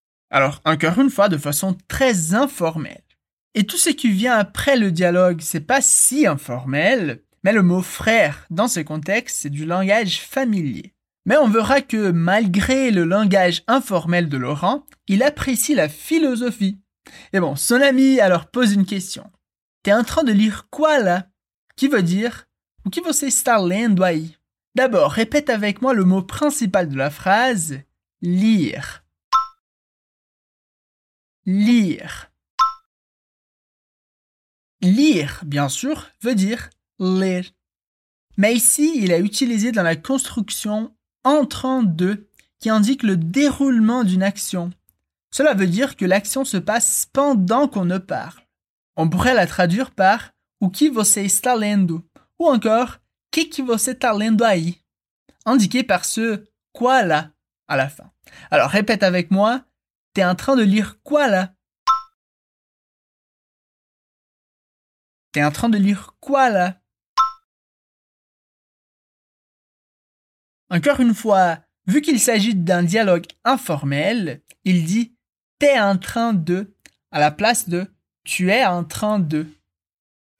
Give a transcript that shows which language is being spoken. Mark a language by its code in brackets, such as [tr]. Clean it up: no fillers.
[fr] Alors, encore une fois, de façon très informelle. Et tout ce qui vient après le dialogue, c'est pas si informel, mais le mot frère, dans ce contexte, c'est du langage familier. Mais on verra que, malgré le langage informel de Laurent, il apprécie la philosophie. Et bon, son ami alors pose une question. « T'es en train de lire quoi, là ? » qui veut dire [pt] « o que você está lendo aí ?» [fr] D'abord, répète avec moi le mot principal de la phrase « lire ». Lire. Lire, bien sûr, veut dire « ler ». Mais ici, il est utilisé dans la construction « entrant de » qui indique le déroulement d'une action. Cela veut dire que l'action se passe pendant qu'on ne parle. On pourrait la traduire par « [pt] o que você está lendo ?» [fr] ou encore [pt] « que você está lendo aí ?» [fr] indiqué par ce « quoi là ?» à la fin. Alors répète avec moi « t'es en train de lire quoi là ?» T'es en train de lire quoi là ? Encore une fois, vu qu'il s'agit d'un dialogue informel, il dit « t'es en train de » à la place de « tu es en train de ».